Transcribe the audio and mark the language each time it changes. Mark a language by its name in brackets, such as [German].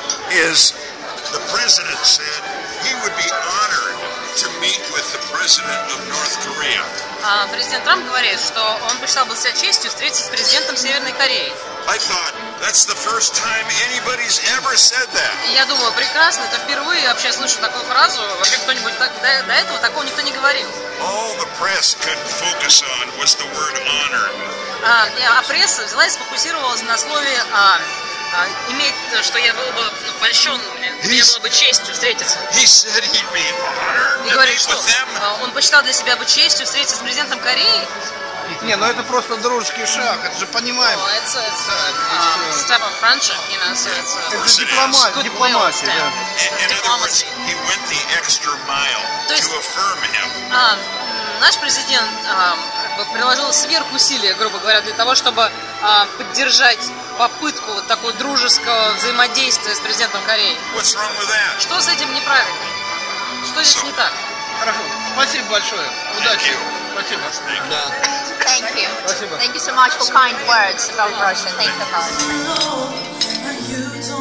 [English] Is the president said he would be honored to meet with the president of North Korea. [Russian] Президент Трамп говорит, что он посчитал бы себя честью встретиться с президентом Северной Кореи. [English] I thought that's the first time anybody's ever said that. [Russian] Я думаю, прекрасно, это впервые вообще слышу такую фразу. Вообще кто-нибудь так до этого такого никто не говорил. [English] All the press could focus on was the word honor. [Russian] А пресса взялась и сфокусировалась на слове иметь, что я был бы, ну, польщен, для меня было бы честью встретиться. И говорит, что он посчитал для себя бы честью встретиться с президентом Кореи. Не, ну это просто дружеский шаг, это же понимаем. Ну, это [English] step of friendship, you know, so it's... [Russian] Это же дипломатия, дипломатия, да. [English] In other words, he went the extra mile to affirm him. [Russian] Наш президент приложил сверхусилия, грубо говоря, для того, чтобы поддержать попытку вот такого дружеского взаимодействия с президентом Кореи. [English] What's wrong with that? [Russian] Что с этим неправильно? Что здесь не так? Хорошо, спасибо большое, удачи. Спасибо. Да. [English] Thank you. Thank you so much for kind words about Russia. Thank you.